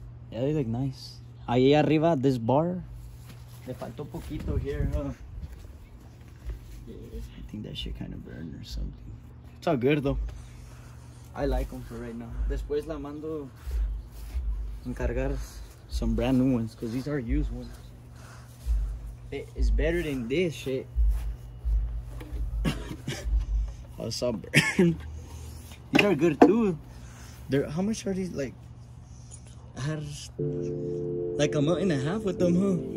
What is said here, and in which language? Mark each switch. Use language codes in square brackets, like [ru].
[en] Yeah, they look nice. [es] Ahí arriba, [en] this bar. [es] Le faltó poquito [en] here, huh? Yeah. I think that shit kind of burned or something. Yeah. It's all good though. I like them for right now. [es] Después la mando encargar [en] some brand new ones, because these are used ones. It's better than this shit. What's up, bro? These are good too. They're, how much are these? Like, I had like a month and a half with them, huh?